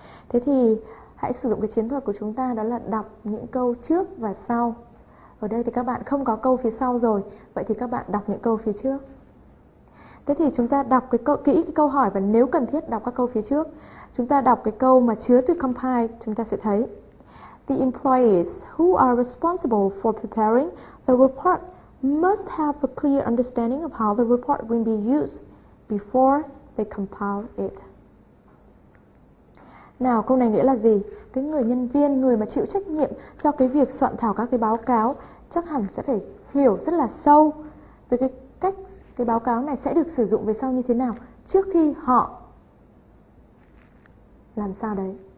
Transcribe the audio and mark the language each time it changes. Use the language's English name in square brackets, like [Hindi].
[Vietnamese] Thế thì hãy sử dụng cái chiến thuật của chúng ta, đó là đọc những câu trước và sau. Ở đây thì các bạn không có câu phía sau rồi, vậy thì các bạn đọc những câu phía trước. Thế thì chúng ta đọc cái câu, kỹ cái câu hỏi và nếu cần thiết đọc các câu phía trước. Chúng ta đọc cái câu mà chứa từ compile, chúng ta sẽ thấy. [English] The employees who are responsible for preparing the report must have a clear understanding of how the report will be used before they compile it. [Vietnamese] Nào, câu này nghĩa là gì? Cái người nhân viên, người mà chịu trách nhiệm cho cái việc soạn thảo các cái báo cáo chắc hẳn sẽ phải hiểu rất là sâu về cái cách cái báo cáo này sẽ được sử dụng về sau như thế nào trước khi họ làm sao đấy.